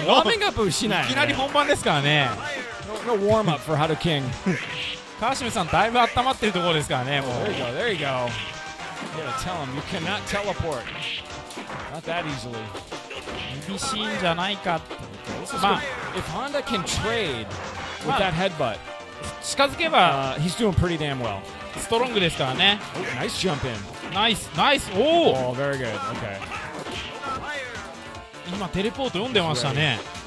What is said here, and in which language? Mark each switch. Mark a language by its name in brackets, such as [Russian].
[Japanese] ワーミングアップしない、ね。いきなり本番ですからね。 [English] No warm up for Haru King。 [Japanese] 川島さんだいぶ温まってるところですからね。もう。 [English] There you go. You gotta tell him you cannot teleport. Not that easily. [Japanese] 厳しいんじゃないかって。 [English] まあ、if Honda can trade with that headbutt, [Japanese] 近づけば、 [English] he's doing pretty damn well. [Japanese] ストロングですからね。 [English] Oh, nice jump in. Nice. おお。 Oh, very good. Okay. [Japanese] 今テレポート読んでましたね。